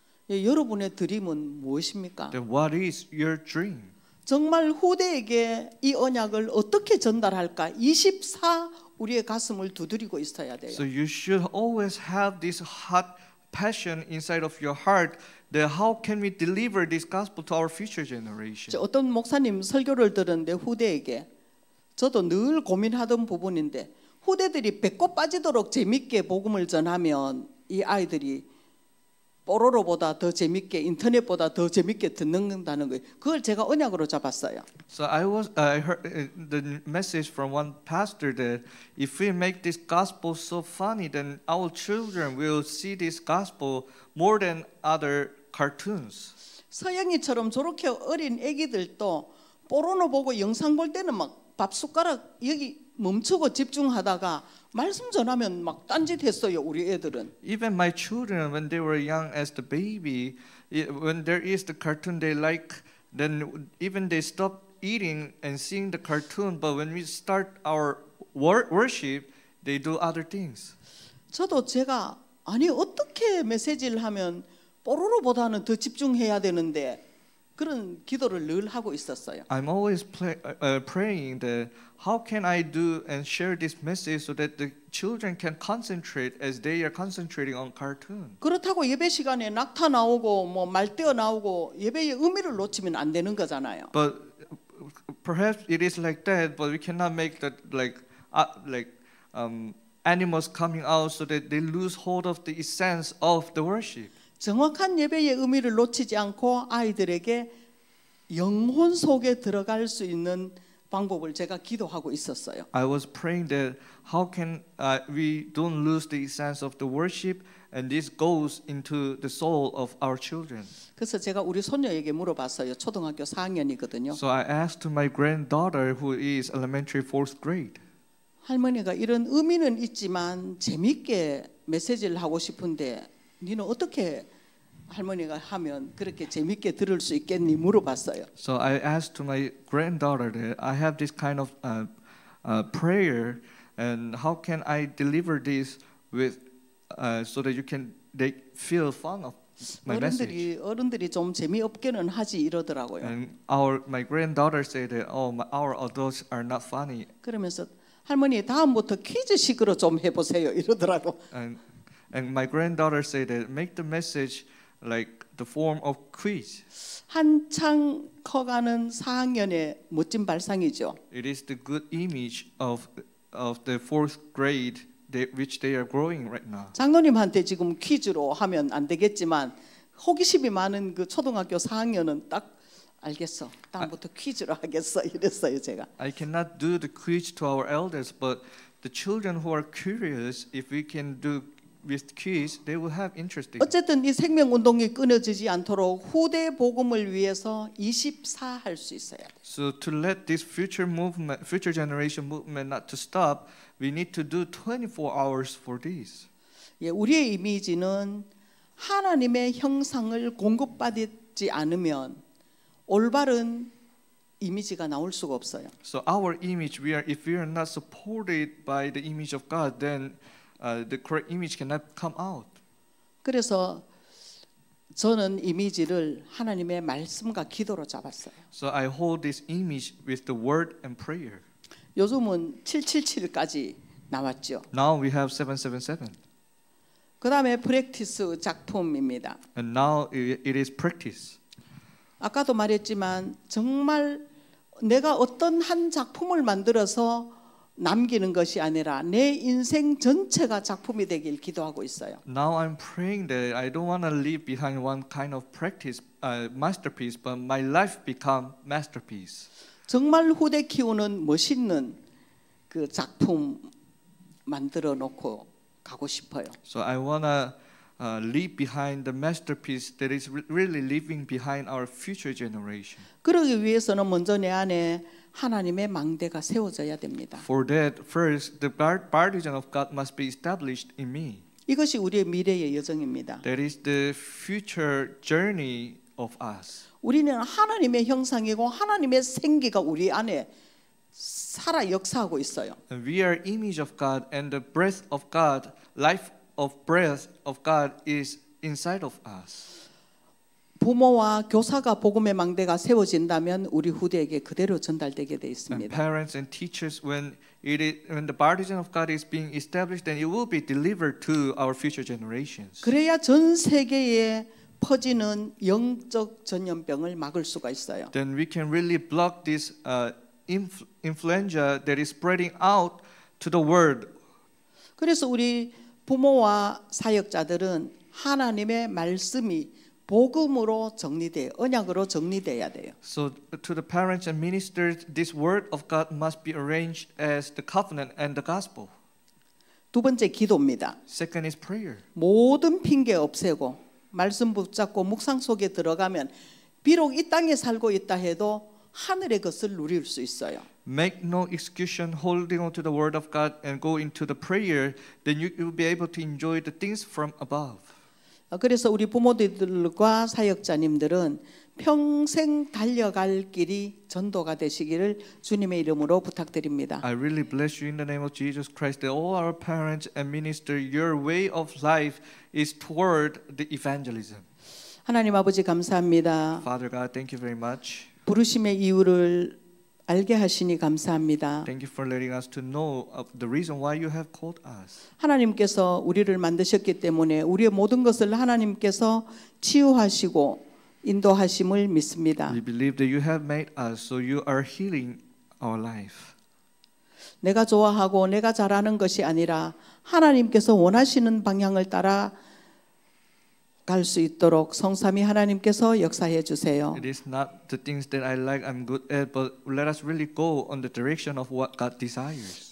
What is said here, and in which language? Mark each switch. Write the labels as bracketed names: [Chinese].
[Korean] 예, 여러분의 드림은 무엇입니까? [English] Then what is your dream? [Korean] 정말 후대에게 이 언약을 어떻게 전달할까? 24 우리의 가슴을 두드리고 있어야 돼요. [English] So you should always have this hot passion inside of your heart. How can we deliver this gospel to our future generation? [Korean] 어떤 목사님 설교를 들었는데 후대에게 저도 늘 고민하던 부분인데 후대들이 배꼽 빠지도록 재밌게 복음을 전하면 이 아이들이 뽀로로보다 더 재밌게 인터넷보다 더 재밌게 듣는다는 거예요. 그걸 제가 언약으로 잡았어요. [English] So I heard the message from one pastor that if we make this gospel so funny, then our children will see this gospel more than other cartoons. [Korean] 서영이처럼 저렇게 어린 아기들도 뽀로로 보고 영상 볼 때는 막 밥 숟가락 여기 멈추고 집중하다가 말씀 전하면 막 딴짓했어요 우리 애들은. [English] Even my children, when they were young as the baby, when there is the cartoon they like, then even they stop eating and seeing the cartoon. But when we start our worship, they do other things. [Korean] 저도 제가 아니 어떻게 메시지를 하면 뽀로로보다는 더 집중해야 되는데 그런 기도를 늘 하고 있었어요. [English] I'm always praying that how can I do and share this message so that the children can concentrate as they are concentrating on cartoon. [Korean] 그렇다고 예배 시간에 낙타 나오고 뭐 말뛰어 나오고 예배의 의미를 놓치면 안 되는 거잖아요. [English] But perhaps it is like that, but we cannot make that animals coming out so that they lose hold of the essence of the worship. [Korean] 정확한 예배의 의미를 놓치지 않고 아이들에게 영혼 속에 들어갈 수 있는 방법을 제가 기도하고 있었어요. [English] I was praying that how can we don't lose the essence of the worship and this goes into the soul of our children. [Korean] 그래서 제가 우리 손녀에게 물어봤어요. 초등학교 4학년이거든요. [English] So I asked my granddaughter who is elementary fourth grade. [Korean] 할머니가 이런 의미는 있지만 재밌게 메시지를 하고 싶은데 너는 어떻게 할머니가 하면 그렇게 재밌게 들을 수 있겠니 물어봤어요. [English] So I asked to my granddaughter that I have this kind of prayer and how can I deliver this with so that you can they feel fun of my message. [Korean] 어른들이 좀 재미없게는 하지 이러더라고요. [English] And my granddaughter said that our adults are not funny. [Korean] 그러면서 할머니 다음부터 퀴즈식으로 좀 해 보세요 이러더라고. [English] And my granddaughter said that make the message like the form of quiz. [Korean] 한창 커가는 4학년의 멋진 발상이죠. [English] It is the good image of the fourth grade which they are growing right now. [Korean] 장로님한테 지금 퀴즈로 하면 안 되겠지만 호기심이 많은 그 초등학교 4학년은 딱 알겠어. 다음부터 퀴즈로 하겠어. 이랬어요 제가. [English] I cannot do the quiz to our elders, but the children who are curious, if we can do with kids, they will have interest. [Korean] 어쨌든 이 생명 운동이 끊어지지 않도록 후대 복음을 위해서 24 할 수 있어야 돼. [English] So to let this future movement, future generation movement not to stop, we need to do 24 hours for this. [Korean] 예, 우리의 이미지는 하나님의 형상을 공급받지 않으면 올바른 이미지가 나올 수가 없어요. [English] So our image, if we are not supported by the image of God, then the correct image cannot come out. [Korean] 그래서 저는 이미지를 하나님의 말씀과 기도로 잡았어요. [English] So I hold this image with the word and prayer. [Korean] 요즘은 777까지 나왔죠. [English] Now we have 777. [Korean] 그 다음에 프랙티스 작품입니다. [English] And now it is practice. [Korean] 아까도 말했지만 정말 내가 어떤 한 작품을 만들어서 남기는 것이 아니라 내 인생 전체가 작품이 되길 기도하고 있어요. [English] Now I'm praying that I don't want to leave behind one kind of practice, masterpiece, but my life become masterpiece. [Korean] 정말 후대 키우는 멋있는 그 작품 만들어 놓고 가고 싶어요. [English] So I want to leave behind the masterpiece that is really leaving behind our future generation. [Korean] 그러기 위해서는 먼저 내 안에 하나님의 망대가 세워져야 됩니다. [English] For that, first, the partisan of God must be established in me. [Korean] 이것이 우리의 미래의 여정입니다. [English] That is the future journey of us. [Korean] 우리는 하나님의 형상이고 하나님의 생기가 우리 안에 살아 역사하고 있어요. [English] And we are image of God and the breath of God, life of breath of God is inside of us. [Korean] 부모와 교사가 복음의 망대가 세워진다면 우리 후대에게 그대로 전달되게 돼 있습니다. [English] And parents and teachers, when the partisan of God is being established, then it will be delivered to our future generations. [Korean] 그래야 전 세계에 퍼지는 영적 전염병을 막을 수가 있어요. [English] Then we can really block this influenza that is spreading out to the world. [Korean] 그래서 우리 부모와 사역자들은 하나님의 말씀이 복음으로 정리돼요. 언약으로 정리돼야 돼요. [English] So to the parents and ministers, this word of God must be arranged as the covenant and the gospel. [Korean] 두 번째 기도입니다. [English] Second is prayer. [Korean] 모든 핑계 없애고 말씀 붙잡고 묵상 속에 들어가면 비록 이 땅에 살고 있다 해도 하늘의 것을 누릴 수 있어요. [English] Make no excuse holding on to the word of God and go into the prayer, then you will be able to enjoy the things from above. [Korean] 그래서 우리 부모들과 사역자님들은 평생 달려갈 길이 전도가 되시기를 주님의 이름으로 부탁드립니다. [English] I really bless you in the name of Jesus Christ that all our parents and ministers, your way of life is toward the evangelism. [Korean] 하나님 아버지 감사합니다. [English] Father God, thank you very much. [Korean] 부르심의 이유를 알게 하시니 감사합니다. [English] Thank you for letting us to know of the reason why you have called us. [Korean] 하나님께서 우리를 만드셨기 때문에 우리의 모든 것을 하나님께서 치유하시고 인도하심을 믿습니다. [English] We believe that you have made us, so you are healing our life. [Korean] 내가 좋아하고 내가 잘하는 것이 아니라 하나님께서 원하시는 방향을 따라 갈 수 있도록 성삼위 하나님께서 역사해 주세요. [English] It is not the things that I like I'm good at, but let us really go on the direction of what God desires.